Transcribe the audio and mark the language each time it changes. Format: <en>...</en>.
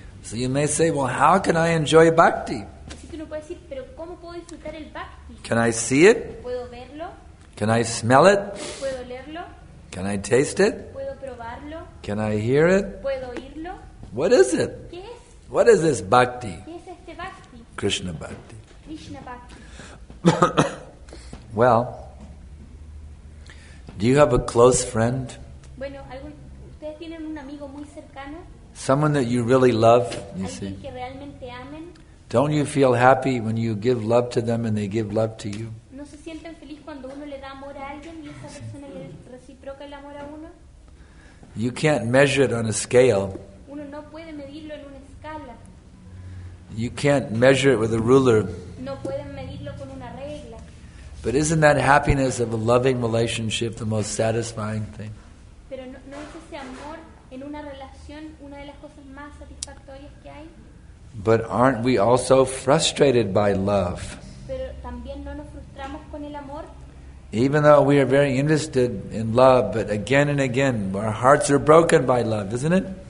<en>So you may say, well, how can I enjoy bhakti?</en> <es>Así que uno puede decir, pero ¿cómo puedo disfrutar el bhakti?</es> <en>Can I see it?</en> <es>¿Puedo verlo?</es> <en>Can I smell it?</en> <es>¿Puedo olerlo?</es> <en>Can I taste it?</en> <es>¿Puedo probarlo?</es> <en>Can I hear it?</en> <es>¿Puedo oírlo?</es> <en>What is it?</en> <es>¿Qué es?</es> <en>What is this bhakti? Krishna Bhakti. Krishna Bhakti. Well, do you have a close friend?</en> <es>Bueno, ¿ustedes tienen un amigo muy cercano?</es> <en>Someone that you really love, you</en> <es>¿alguien</es> <en>see?</en> <es>Que realmente amen?</es> <en>Don't you feel happy when you give love to them and they give love to you?</en> <es>¿No se sienten feliz cuando uno le da amor a alguien y esa persona le reciproca el amor a uno?</es> <en>You can't measure it on a scale.</en> <es>Uno no puede medirlo en una escala.</es> <en>You can't measure it with a ruler.</en> <es>No pueden medirlo con una regla.</es> <en>But isn't that happiness of a loving relationship the most satisfying thing?</en> <es>Pero no, ¿no es ese amor en una relación una de las cosas más satisfactorias que hay?</es> <en>But aren't we also frustrated by love?</en> <es>Pero también no nos frustramos con el amor.</es> <en>Even though we are very interested in love, but again and again, our hearts are broken by love, isn't it?</en>